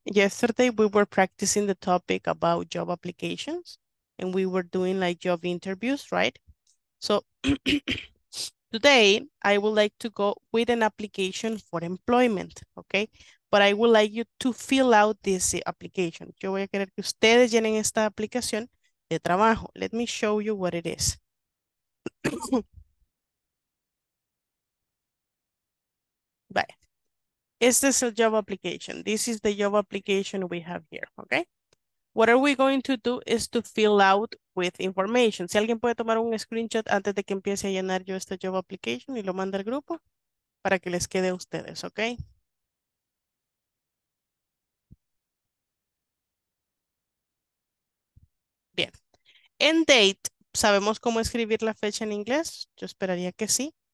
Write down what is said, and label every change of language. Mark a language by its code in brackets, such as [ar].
[en] Yesterday we were practicing the topic about job applications and we were doing like job interviews, right? So today I would like to go with an application for employment, okay? But I would like you to fill out this application. [es] Yo voy a querer que ustedes llenen esta aplicación de trabajo. [en] Let me show you what it is. But this is a job application. This is the job application we have here, okay? What are we going to do is to fill out with information. [es] Si alguien puede tomar un screenshot antes de que empiece a llenar yo esta job application y lo manda al grupo para que les quede a ustedes, okay? Bien. End date. ¿Sabemos cómo escribir la fecha en inglés? Yo esperaría que sí.